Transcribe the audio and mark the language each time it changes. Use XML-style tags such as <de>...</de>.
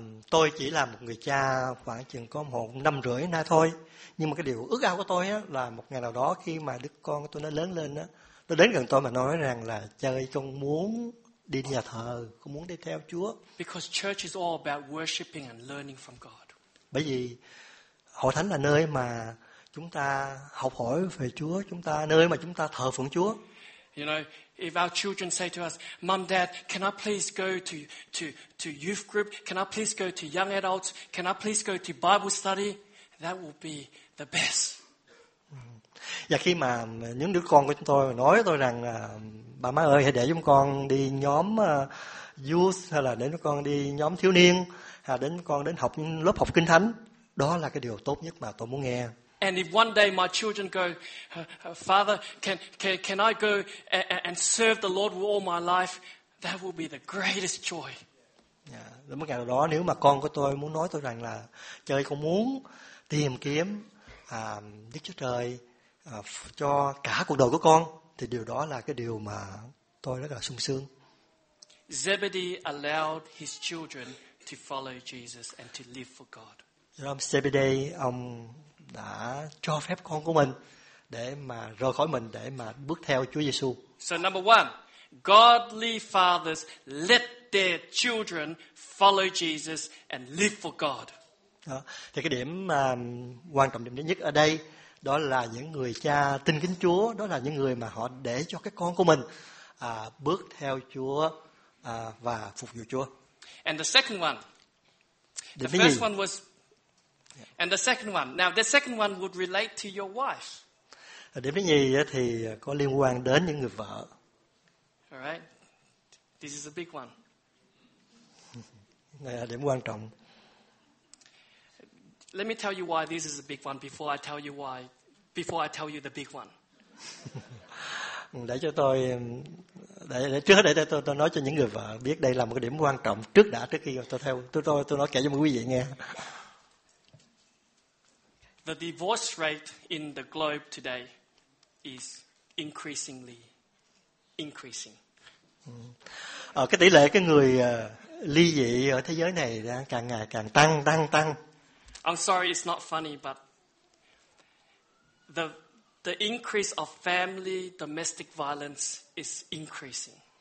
<vi>Tôi chỉ là một người cha khoảng chừng có một năm rưỡi nay thôi, nhưng mà cái điều ước ao của tôi á là một ngày nào đó khi mà đứa con tôi nó lớn lên á, nó đến gần tôi mà nói rằng là cha ơi, con muốn đi nhà thờ, con muốn đi theo Chúa.</vi> <en>Because church is all about worshiping and learning from God.</en> <vi>Bởi vì hội thánh là nơi mà chúng ta học hỏi về Chúa, chúng ta nơi mà chúng ta thờ phượng Chúa.</vi> <en>You know, if our children say to us, "Mom, Dad, can I please go to youth group? Can I please go to young adults? Can I please go to Bible study?" That will be the best.</en> <vi>Và khi mà những đứa con của chúng tôi nói với tôi rằng, "Bà má ơi, hãy để chúng con đi nhóm youth hay là để chúng con đi nhóm thiếu niên, hay để chúng con đến học lớp học kinh thánh," đó là cái điều tốt nhất mà tôi muốn nghe.</vi> <en>And if one day my children go, "Father, can I go and serve the Lord all my life?" That will be the greatest joy. Yeah.</en> <vi>Một ngày nào đó nếu mà con của tôi muốn nói tôi rằng là, "Trời, con muốn tìm kiếm Đức Chúa Trời cho cả cuộc đời của con," thì điều đó là cái điều mà tôi rất là sung sướng.</vi> <en>Zebedee allowed his children to follow Jesus and to live for God.</en> <vi>Zebedee, ông đã cho phép con của mình để mà rời khỏi mình để mà bước theo Chúa Giêsu.</vi> <en>So number one, godly fathers let their children follow Jesus and live for God.</en> <vi>Đó. Thì cái điểm quan trọng điểm nhất ở đây đó là những người cha tin kính Chúa, đó là những người mà họ để cho cái con của mình bước theo Chúa và phục vụ Chúa.</vi> <en>And the second one, the first one was. And the second one. Now, the second one would relate to your wife.</en> <vi>Điểm thứ nhì thì có liên quan đến những người vợ.</vi> <en>All right. This is a big one.</en> <vi>Đây là điểm quan trọng.</vi> <en>Let me tell you why this is a big one before I tell you why. Before I tell you the big one.</en> <vi>Để cho tôi, để tôi nói cho những người vợ biết đây là một cái điểm quan trọng trước đã, trước khi tôi nói kể cho quý vị nghe.</vi> <en>The divorce rate in the globe today is increasingly increasing.</en> <vi>Cái tỷ lệ cái người ly dị ở thế giới này đang càng ngày càng tăng.</vi> <en>I'm sorry, it's not funny, but the increase of family domestic violence is increasing.</en>